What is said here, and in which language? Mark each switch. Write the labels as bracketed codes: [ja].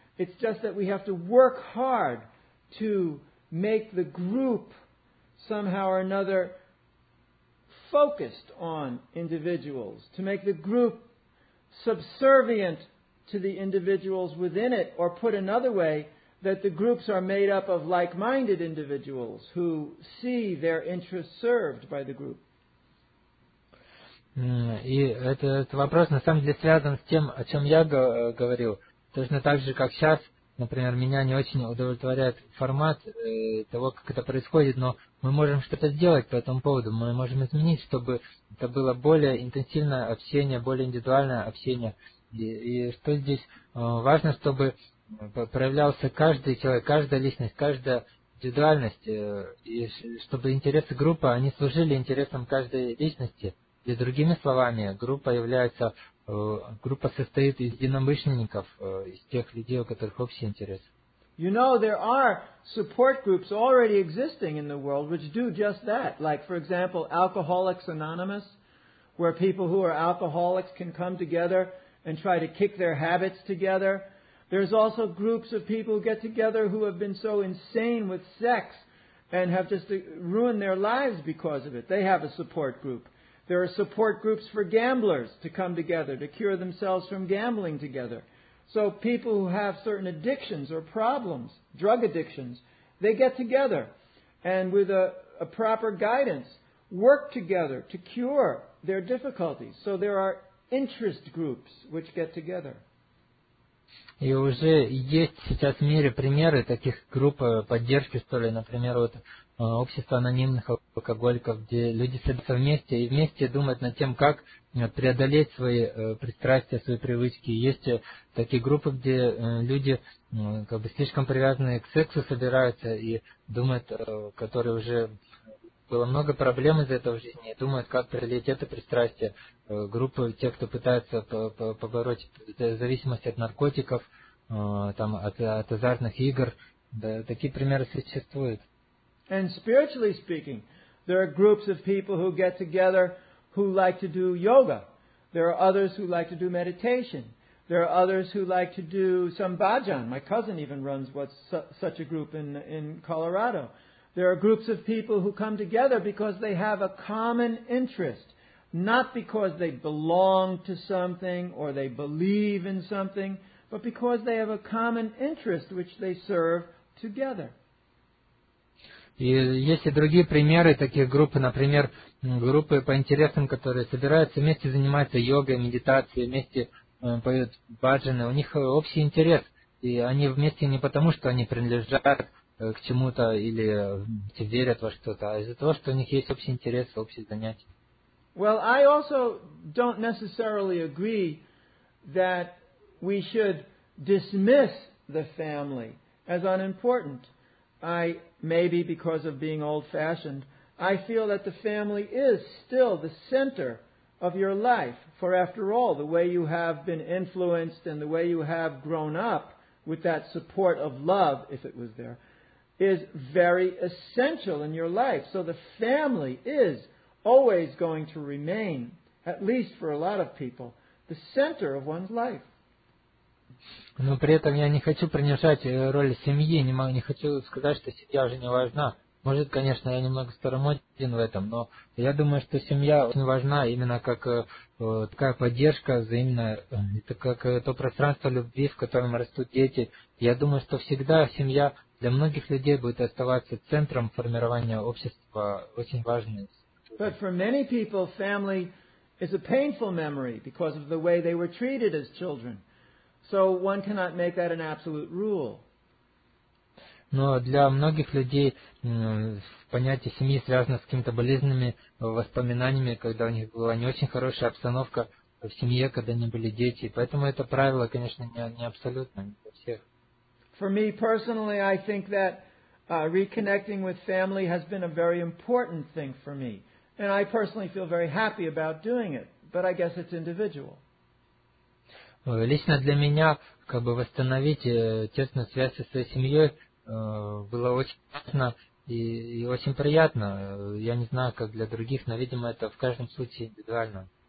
[en] It's just that we have to work hard to make the group somehow or another focused on individuals, to make the group subservient to the individuals within it, or put another way, that the groups are made up of like-minded individuals who see their interests served by the group. [ru] И этот вопрос на самом деле связан с тем, о чем я говорил. Точно так же, как сейчас, например, меня не очень удовлетворяет формат того, как это происходит, но мы можем что-то сделать по этому поводу, мы можем изменить, чтобы это было более интенсивное общение, более индивидуальное общение. И что здесь важно, чтобы проявлялся каждый человек, каждая личность, каждая индивидуальность, и чтобы интересы группы, они служили интересам каждой личности. И другими словами, группа состоит из единомышленников, из тех людей, у которых общий интерес. [en] You know, there are support groups already existing in the world which do just that. Like, for example, Alcoholics Anonymous, where people who are alcoholics can come together and try to kick their habits together. There's also groups of people who get together who have been so insane with sex and have just ruined their lives because of it. They have a support group. There are support groups for gamblers to come together, to cure themselves from gambling together. So people who have certain addictions or problems, drug addictions, they get together and with a proper guidance, work together to cure their difficulties. So there are interest groups which get together. [ru] И уже есть сейчас в мире примеры таких групп поддержки, что ли, например, вот общество анонимных алкоголиков, где люди садятся вместе и вместе думают над тем, как преодолеть свои пристрастия, свои привычки. Есть такие группы, где люди как бы слишком привязанные к сексу собираются и думают, которые уже было много проблем из этого в жизни, и думают, как преодолеть это пристрастие. Группы тех, кто пытается побороть зависимость от наркотиков, там, от азартных игр. Да, такие примеры существуют. [en] And spiritually speaking, there are groups of people who get together who like to do yoga. There are others who like to do meditation. There are others who like to do some bhajan. My cousin even runs such a group in Colorado. There are groups of people who come together because they have a common interest, not because they belong to something or they believe in something, but because they have a common interest which they serve together. [ru] И есть и другие примеры таких групп, например, группы по интересам, которые собираются вместе, занимаются йогой, медитацией, вместе поют баджаны. У них общий интерес, и они вместе не потому, что они принадлежат к чему-то или верят во что-то, а из-за того, что у них есть общий интерес, общие занятия. [en] Well, I also don't necessarily agree that we should dismiss the family as unimportant. I, maybe because of being old-fashioned, I feel that the family is still the center of your life. For after all, the way you have been influenced and the way you have grown up with that support of love, if it was there, is very essential in your life. So the family is always going to remain, at least for a lot of people, the center of one's life. [ru] Но при этом я не хочу принижать роль семьи, не хочу сказать, что семья уже не важна. Может, конечно, я немного старомоден в этом, но я думаю, что семья очень важна, именно как такая поддержка взаимная, это как то пространство любви, в котором растут дети. Я думаю, что всегда семья для многих людей будет оставаться центром формирования общества, очень важной. [en] But for many people, family is a painful memory because of the way they were treated as children. So one cannot make that an absolute rule. [ru] Но для многих людей понятие семьи связано с какими-то болезненными воспоминаниями, когда у них была не очень хорошая обстановка в семье, когда не были дети. Поэтому это правило, конечно, не абсолютно не для всех. [en] For me personally, I think that reconnecting with family has been a very important thing for me, and I personally feel very happy about doing it. But I guess it's individual. [ru] Лично для меня, как бы восстановить тесную связь со своей семьей было очень важно и очень приятно. Я не знаю, как для других, но, видимо, это в каждом случае индивидуально.